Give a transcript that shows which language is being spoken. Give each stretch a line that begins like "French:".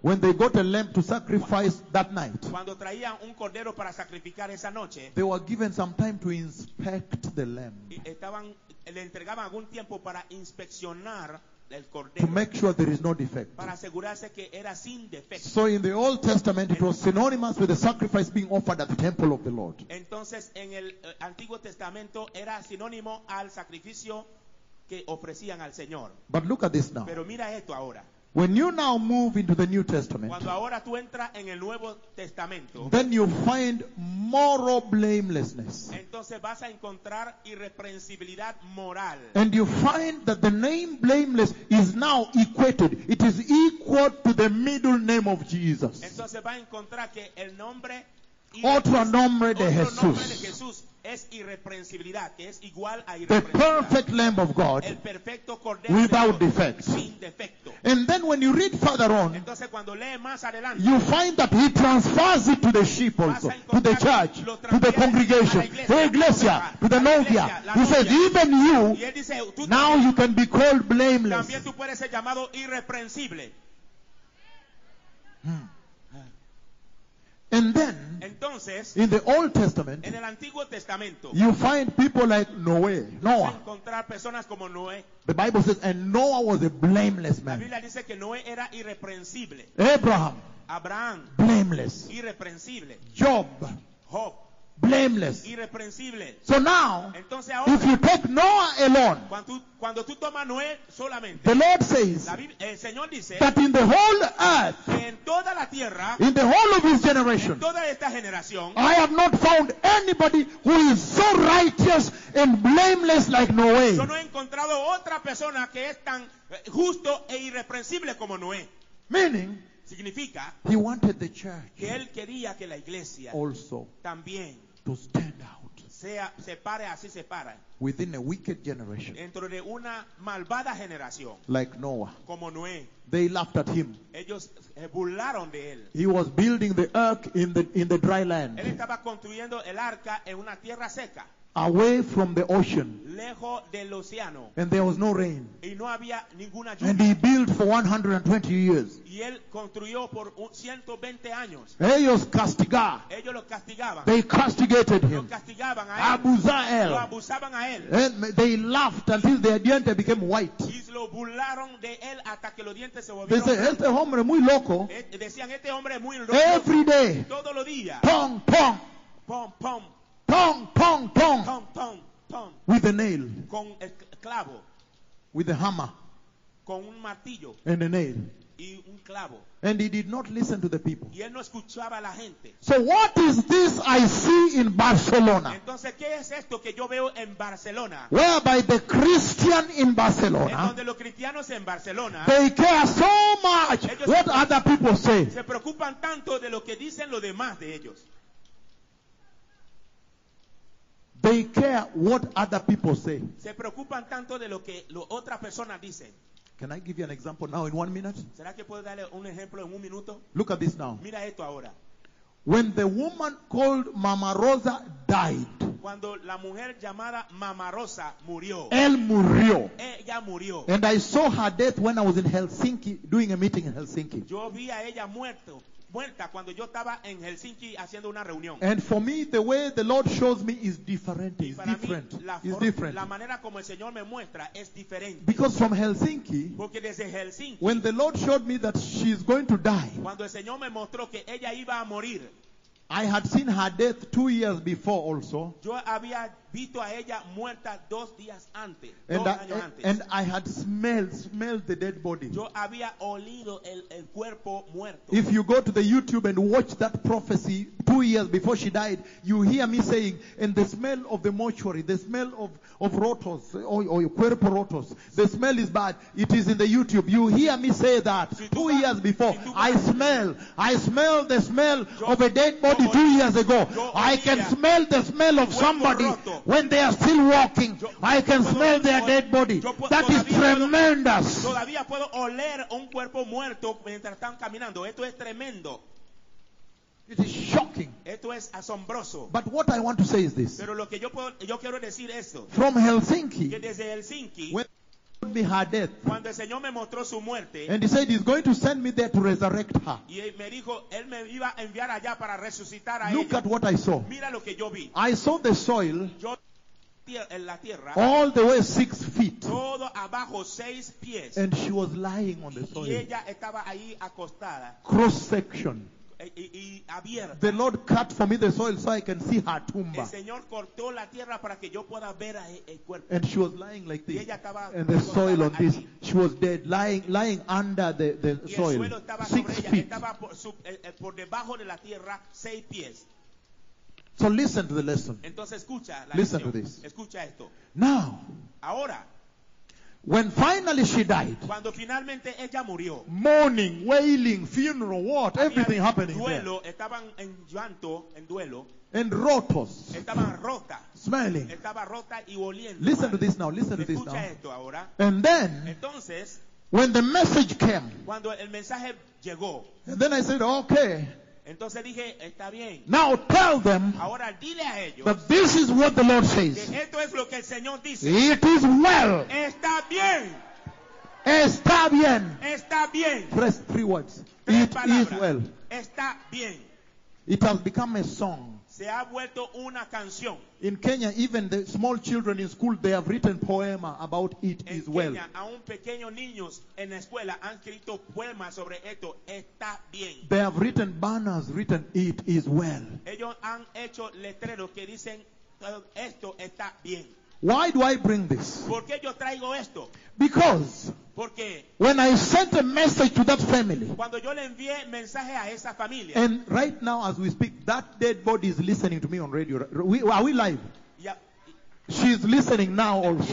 English: when they got a lamb to sacrifice that night,
Spanish: cuando traían un cordero para sacrificar esa noche,
English: they were given some time to inspect the lamb.
Spanish: Estaban, le entregaban algún tiempo para inspeccionar el cordero,
English: to make sure there is no defect.
Spanish: Para asegurarse que era sin defecto.
English: So in the Old Testament, it was synonymous with the sacrifice being offered at the temple of the Lord.
Spanish: Entonces, en el Antiguo Testamento, era sinónimo al sacrificio que ofrecían al Señor.
English: But look at this now.
Spanish: Pero mira esto ahora.
English: When you now move into the New Testament,
Spanish: cuando ahora tú entras en el Nuevo Testamento,
English: then you find moral blamelessness.
Spanish: Entonces vas a encontrar irreprensibilidad moral.
English: And you find that the name blameless is now equated. It is equal to the middle name of Jesus.
Spanish: Entonces vas a encontrar que el nombre, otro nombre de Jesús, es irreprensibilidad, que es igual a irreprensibilidad.
English: The perfect Lamb of God,
Spanish: el perfecto cordero,
English: without defects,
Spanish: sin defecto.
English: And then when you read further on,
Spanish: entonces cuando lee más adelante,
English: you find that he transfers it to the sheep also, to the church, to the congregation,
Spanish: a la iglesia,
English: the iglesia, to the novia. He says, even you,
Spanish: dice,
English: now también, you can be called blameless.
Spanish: También tú puedes ser llamado irreprensible.
English: And then,
Spanish: entonces,
English: in the Old Testament,
Spanish: en el Antiguo Testamento,
English: you find people like Noah.
Spanish: Vas a encontrar personas como Noé.
English: The Bible says, and Noah was a blameless man.
Spanish: La Biblia dice que Noé era irreprensible.
English: Abraham, blameless.
Spanish: Irreprensible.
English: Job, blameless.
Spanish: Irreprensible.
English: So now,
Spanish: entonces ahora,
English: if you take Noah alone,
Spanish: cuando tú tomas Noé solamente,
English: the Lord says,
Spanish: el Señor dice,
English: that in the whole earth,
Spanish: en toda la tierra,
English: in the whole of his generation,
Spanish: en toda esta generación,
English: I have not found anybody who is so righteous and blameless like Noé.
Spanish: Yo no he encontrado otra persona que es tan justo e irreprensible como Noé.
English: Meaning,
Spanish: significa,
English: he wanted the church,
Spanish: que él quería que la iglesia
English: also,
Spanish: también,
English: to stand out,
Spanish: sea, se pare así se pare,
English: within a wicked generation,
Spanish: dentro de una malvada generación,
English: like Noah,
Spanish: como Noé.
English: They laughed at him.
Spanish: Ellos burlaron de él.
English: He was building the ark in the dry land.
Spanish: Él estaba construyendo el arca en una tierra seca.
English: away from the ocean.
Spanish: Lejos del océano.
English: And there was no rain.
Spanish: Y no había ninguna lluvia.
English: And he built for 120 years.
Spanish: Y él construyó por 120 años. Ellos castigaban. Ellos lo castigaban.
English: They castigated him.
Spanish: Lo castigaban a él. Abuzael. Lo abusaban a él.
English: And they laughed until their diente became white.
Spanish: Y lo burlaron de él hasta que los dientes se volvieron.
English: They said,
Spanish: este hombre muy loco. Decían, este hombre muy loco.
English: Every day.
Spanish: Todos los días. Pong, pong. Pong, pong. Pong, pong, pong. Pong, pong.
English: With a nail.
Spanish: Con el clavo.
English: With a hammer.
Spanish: Con un martillo.
English: And a nail.
Spanish: Y un clavo.
English: And he did not listen to the people.
Spanish: Y él no escuchaba a la gente.
English: So what is this I see in Barcelona?
Spanish: Entonces, ¿qué es esto que yo veo en Barcelona?
English: Whereby the Christian in Barcelona,
Spanish: en donde los cristianos en Barcelona,
English: they care so much what other people say.
Spanish: Se preocupan tanto de lo que dicen los demás de ellos.
English: They care what other people say.
Spanish: Se preocupan tanto de lo que las otras personas dicen.
English: Can I give you an example now in 1 minute?
Spanish: ¿Será que puedo darle un ejemplo en un minuto?
English: Look at this now.
Spanish: Mira esto ahora.
English: When the woman called Mama Rosa died.
Spanish: Cuando la mujer llamada Mama Rosa murió. Él murió. Ella murió.
English: And I saw her death when I was in Helsinki doing a meeting in Helsinki.
Spanish: Yo vi a ella muerto. Cuando yo estaba en Helsinki haciendo una reunión.
English: And for me, the way the Lord shows me is different. It's different. It's different.
Spanish: La manera como el Señor me muestra es diferente.
English: Because from Helsinki,
Spanish: porque desde Helsinki,
English: when the Lord showed me that she's going to die,
Spanish: cuando el Señor me mostró que ella iba a morir,
English: I had seen her death 2 years before also.
Spanish: Yo había visto a ella muerta dos días antes.
English: And I had smelled the dead body.
Spanish: Yo había olido el cuerpo muerto.
English: If you go to the YouTube and watch that prophecy 2 years before she died, you hear me saying, and the smell of the mortuary, the smell of rotos,
Spanish: or cuerpo rotos,
English: the smell is bad. It is in the YouTube. You hear me say that
Spanish: si
English: 2 years before.
Spanish: Si
English: I smell the smell of a dead body 2 years ago. I can smell the smell of somebody when they are still walking. I can smell their dead body. That is tremendous.
Spanish: Todavía puedo oler un cuerpo muerto mientras están caminando. Esto es tremendo.
English: It is shocking.
Spanish: Esto es asombroso.
English: But what I want to say is this.
Spanish: Pero lo que yo quiero decir esto.
English: From Helsinki.
Spanish: Que desde Helsinki.
English: When he told me her death.
Spanish: Cuando el Señor me mostró su muerte.
English: And he said he's going to send me there to resurrect her.
Spanish: Y me dijo, él me iba a enviar allá para resucitar a
English: Look
Spanish: ella.
English: At what I saw.
Spanish: Mira lo que yo vi.
English: I saw the soil.
Spanish: Yo en la tierra.
English: All the way 6 feet.
Spanish: Todo abajo 6 pies.
English: And she was lying on the soil.
Spanish: Y ella estaba ahí acostada.
English: Cross section.
Spanish: Y
English: the Lord cut for me the soil so I can see her tomb.
Spanish: El Señor cortó la tierra para que yo pueda ver el cuerpo.
English: And she was lying like this.
Spanish: Y ella estaba
English: and the soil on this. She was dead, lying under the soil.
Spanish: El suelo estaba 6 feet. Estaba por debajo de la tierra 6 pies.
English: So listen to the lesson.
Spanish: Entonces escucha la
English: listen
Spanish: lección.
English: To this.
Spanish: Escucha esto.
English: Now.
Spanish: Ahora.
English: When finally she died,
Spanish: cuando finalmente ella murió,
English: mourning, wailing, funeral, what? Everything happening
Spanish: duelo,
English: there.
Spanish: Estaban en llanto, en duelo,
English: and rotos.
Spanish: Estaban rota,
English: smelling.
Spanish: Estaba rota y oliendo.
English: Listen
Spanish: mal.
English: To this now. Listen to this now.
Spanish: Esto ahora.
English: And then,
Spanish: entonces,
English: when the message came,
Spanish: cuando el mensaje llegó,
English: and then I said, okay.
Spanish: Entonces dije, está bien.
English: Now tell them
Spanish: ahora, dile a ellos
English: that this is what the Lord says.
Spanish: Que esto es lo que el Señor dice.
English: It is well.
Spanish: Está bien. Está bien. Está bien.
English: Press 3 words.
Spanish: Tres
English: it
Spanish: palabras.
English: Is well.
Spanish: Está bien.
English: It has become a song.
Spanish: Se ha vuelto una canción.
English: In Kenya, even the small children in school, they have written poema about it
Spanish: en
English: as
Spanish: Kenya,
English: well.
Spanish: En Kenya, aún pequeños niños en la escuela han escrito poemas sobre esto. Está bien.
English: They have written banners, written it as well.
Spanish: Ellos han hecho letreros que dicen esto está bien.
English: Why do I bring this?
Spanish: ¿Por qué yo traigo esto?
English: Because
Spanish: porque
English: when I sent a message to that family,
Spanish: cuando yo le envié mensaje a esa familia,
English: and right now as we speak, that dead body is listening to me on radio. Are we live? Yeah. she's listening now also.